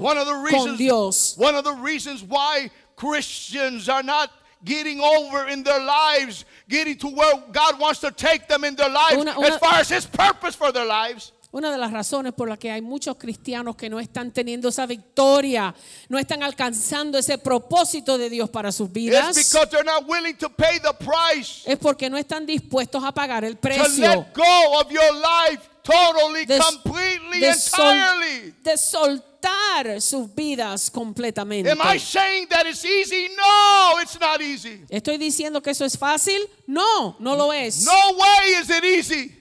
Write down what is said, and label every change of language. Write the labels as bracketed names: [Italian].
[Spanish] con Dios. [English] One of the reasons why Christians are not getting over in their lives, getting to where God wants to take them in their lives, as far as His purpose for their lives. [Spanish] Una de las razones por las que hay muchos cristianos que no están teniendo esa victoria, no están alcanzando ese propósito de Dios para sus vidas, es porque no están dispuestos a pagar el precio. [English] To let go of your life totally, completely, entirely. [Spanish] De soltar sus vidas completamente. [English] Am I saying that it's easy? No, it's not easy. [Spanish] ¿Estoy diciendo que eso es fácil? No, no lo es. [English] No way is it easy.